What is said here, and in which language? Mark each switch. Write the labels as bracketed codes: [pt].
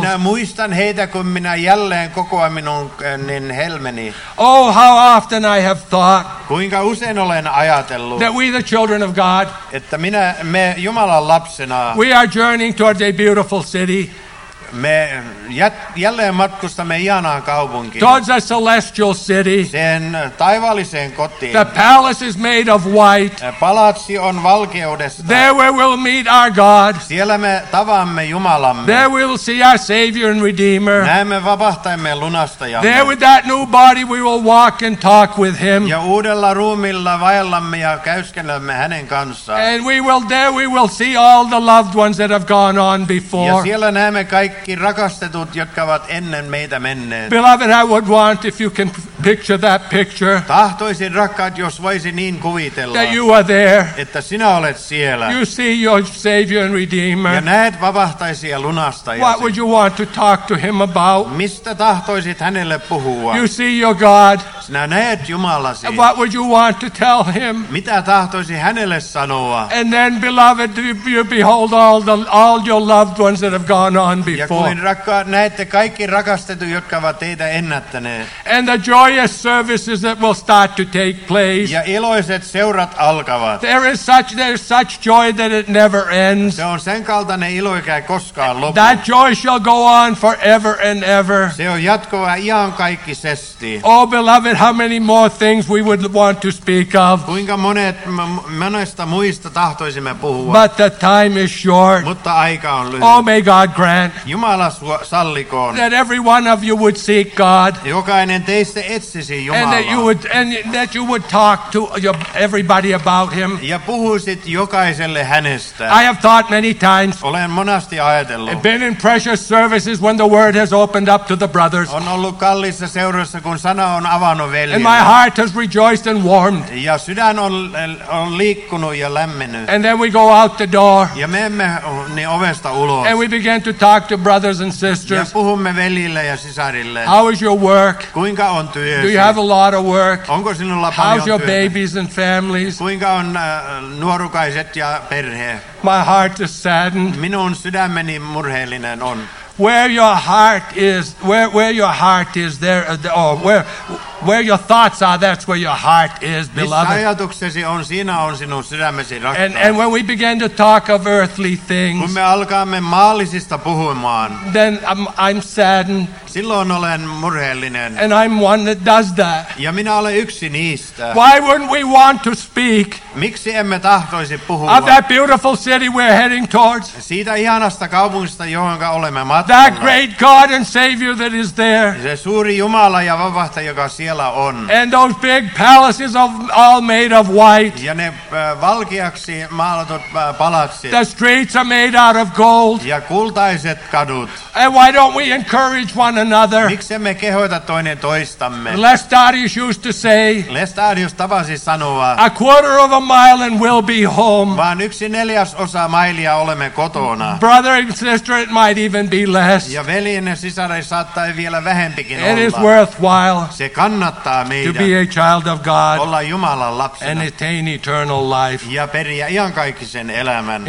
[fi] Minä muistan heitä, kun minä jälleen kokoan minun niin helmeni. [en] Oh, how often I have thought. [fi] Kuinka usein olen ajatellut. [en] That we the children of God. [fi] Että minä, me Jumalan lapsena. [en] We are journeying towards a beautiful city. [fi] Me jälleen matkustamme ihanaan kaupunkiin. [en] Towards a celestial city. [fi] Sen taivaalliseen kotiin. [en] The palace is made of white. [fi] Palatsi on valkeudesta. [en] There we will meet our God. [fi] Siellä me tavaamme Jumalamme. [en] There we will see our Savior and Redeemer. [fi] Näemme vapahtajamme lunastajamme. [en] There with that new body we will walk and talk with him. [fi] Ja uudella ruumilla vaellamme ja käyskelemme hänen kanssaan. [en] And we will see all the loved ones that have gone on before. [fi] Ja siellä näemme kaikki rakastetut, jotka ovat ennen meitä menneet. [en] Beloved, I would want if you can picture that picture. [fi] Tahtoisin, rakkaat, jos voisi niin kuvitella. [en] That you are there. [fi] Että sinä olet siellä. [en] You see your Savior and Redeemer. [fi] Ja näet vapahtaisi ja lunastajasi. [en] What would you want to talk to him about? [fi] Mistä tahtoisit hänelle puhua? [en] You see your God. [fi] Sinä näet Jumalasi. [en] And what would you want to tell him? [fi] Mitä tahtoisi hänelle sanoa? [en] And then, beloved, you behold all your loved ones that have gone on. Before. [fi] Ja kuin rakkaat, näette kaikki rakastetut, jotka ovat teitä ennättäneet. [en] And the joyous services that will start to take place. [fi] Ja iloiset seurat alkavat. [en] There is such joy that it never ends. [fi] Se on sen kaltainen ilo, joka ei koskaan lopu. [en] That joy shall go on forever and ever. [fi] Se on jatkuva iankaikkisesti. [en] Oh, beloved, how many more things we would want to speak of. [fi] Kuinka monet monesta muista tahtoisimme puhua. [en] But the time is short. [fi] Mutta aika on lyhyt. [en] Oh, may God grant. [fi] Jumala sallikoon. [en] That every one of you would seek God. [fi] Jokainen teistä etsisi Jumalaa. [en] And that you would talk to everybody about him. [fi] Ja puhuisit jokaiselle hänestä. [en] I have thought many times. [fi] Olen monasti ajatellut. [en] Been in precious services when the word has opened up to the brothers. [fi] On ollut kalliissa seurassa, kun sana on avannut. sanonut veljille. [en] And my heart has rejoiced and warmed. [fi] Ja sydän on liikkunut ja lämmennyt. [en] And then we go out the door. [fi] Ja me emme ne ovesta ulos. [en] And we begin to talk to brothers and sisters. [fi] Ja puhumme veljille ja sisarille. [en] How is your work? [fi] Kuinka on työsi? [en] Do you have a lot of work? [fi] Onko sinulla paljon työtä? [en] How's your babies and families? [fi] Kuinka on nuorukaiset ja perhe? [en] My heart is saddened. [fi] Minun sydämeni murheellinen on. [en] Where your thoughts are, that's where your heart is, beloved. [fi] Missä ajatuksesi on, siinä on sinun sydämesi, rakkaus. [en] And when we begin to talk of earthly things, [fi] kun me alkaamme maallisista puhumaan, [en] then I'm saddened. [fi] Silloin olen murheellinen. [en] And I'm one that does that. [fi] Ja minä olen yksi niistä. [en] Why wouldn't we want to speak? [fi] Miksi emme tahtoisi puhua? [en] Of that beautiful city we're heading towards. [fi] Siitä ihanasta kaupungista, johonka olemme matkalla. [en] That great God and Savior that is there. [fi] Se suuri Jumala ja vapahtaja, joka siellä on. [en] And those big palaces of all made of white. [fi] Ja ne valkeaksi maalatut palatsit. [en] The streets are made out of gold. [fi] Ja kultaiset kadut. [en] And why don't we encourage one another? [fi] Miksi emme kehoita toinen toistamme? [en] Lestadius used to say. [fi] Lestadius tavasi sanoa. [en] A quarter of a mile and we'll be home. [fi] Vaan yksi neljäs osa mailia olemme kotona. [en] Brother and sister, it might even be less. [fi] Ja veljen ja sisaren saattaa vielä vähempikin [en] it [fi] olla. [en] It is worthwhile. [fi] Se kannattaa meidän [en] to be a child of God, [fi] olla Jumalan lapsena [en] and attain eternal life. [fi] Ja periä iankaikkisen elämän.